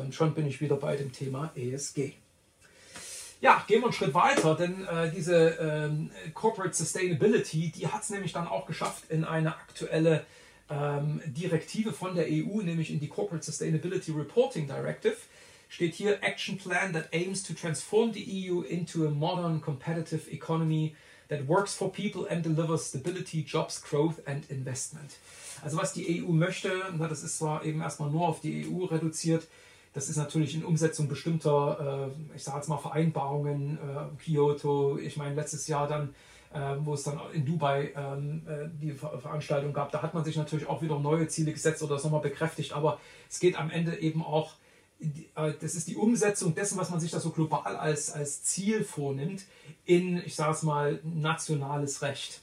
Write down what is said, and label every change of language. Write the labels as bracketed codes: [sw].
[de] Und schon bin ich wieder bei dem Thema ESG. Ja, gehen wir einen Schritt weiter, denn diese Corporate Sustainability, die hat es nämlich dann auch geschafft in eine aktuelle Direktive von der EU, nämlich in die Corporate Sustainability Reporting Directive. Steht hier, [en] Action Plan that aims to transform the EU into a modern competitive economy that works for people and delivers stability, jobs, growth and investment. [de] Also was die EU möchte, na, das ist zwar eben erstmal nur auf die EU reduziert, das ist natürlich in Umsetzung bestimmter, ich sage jetzt mal Vereinbarungen, Kyoto, ich meine letztes Jahr dann, wo es dann in Dubai die Veranstaltung gab, da hat man sich natürlich auch wieder neue Ziele gesetzt oder das nochmal bekräftigt, aber es geht am Ende eben auch, das ist die Umsetzung dessen, was man sich da so global als Ziel vornimmt, in, ich sage es mal, nationales Recht.